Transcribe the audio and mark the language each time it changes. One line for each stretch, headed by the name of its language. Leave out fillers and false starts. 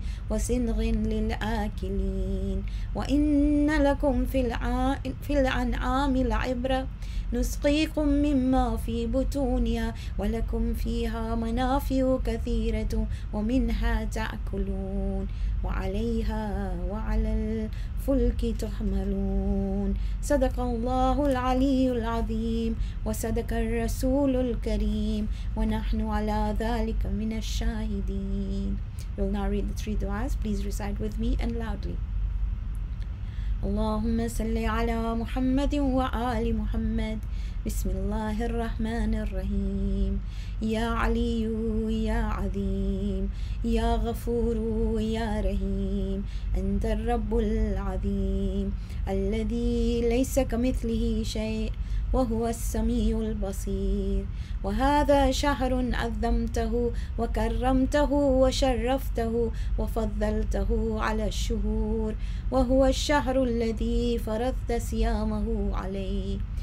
Arabic: وصنغ للآكلين وإن لكم في الأنعام العبرة نسقيكم مما في بطونها ولكم فيها منافع كثيرة ومنها تأكلون وعليها وعلى الفلك تحملون صدق الله العلي العظيم وصدق الرسول الكريم ونحن على ذلك من الشاهدين.
English: We'll now read the three du'as. Please recite with me and loudly.
Arabic: اللهم صل على محمد وآل محمد بسم الله الرحمن الرحيم يا علي يا عظيم يا غفور يا رحيم أنت الرب العظيم الذي ليس كمثله شيء وهو السميع البصير وهذا شهر عظمته وكرمته وشرفته وفضلته على الشهور وهو الشهر الذي فرضت صيامه عليه